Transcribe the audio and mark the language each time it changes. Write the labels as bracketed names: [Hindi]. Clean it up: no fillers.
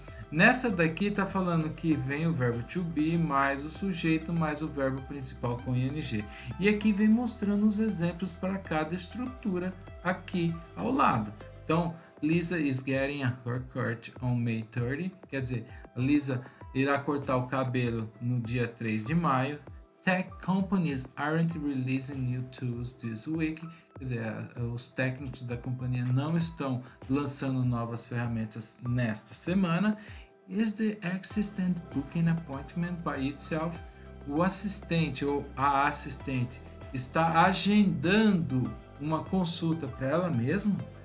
[Portuguese] Nessa daqui tá falando que vem o verbo to be mais o sujeito mais o verbo principal com ing. E aqui vem mostrando os exemplos para cada estrutura aqui ao lado. Então, [English] Lisa is getting a haircut on May 30. [Portuguese] Quer dizer, Lisa irá cortar o cabelo no dia 3 de maio. [English] Tech companies aren't releasing new tools this week. [Portuguese] Quer dizer, os técnicos da companhia não estão lançando novas ferramentas nesta semana. [English] Is the assistant booking appointment by itself? [Portuguese] O assistente ou a assistente está agendando uma consulta para ela mesma?